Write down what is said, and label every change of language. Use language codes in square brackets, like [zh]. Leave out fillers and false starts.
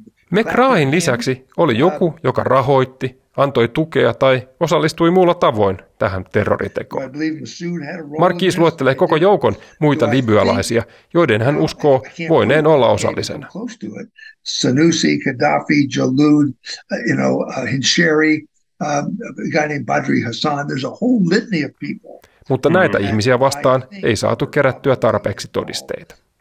[fi] McRaen lisäksi oli joku, joka rahoitti, antoi tukea tai osallistui muulla tavoin tähän terroritekoon. Mark Gies luettelee koko joukon muita libyalaisia, joiden hän uskoo voineen olla osallisena. [en] Sanusi, Gaddafi, Jalloud, you know, Hinshari, a guy named Badri Hassan, there's a whole litany of people. [fi] Mutta näitä ihmisiä vastaan ei saatu kerättyä tarpeeksi todisteita.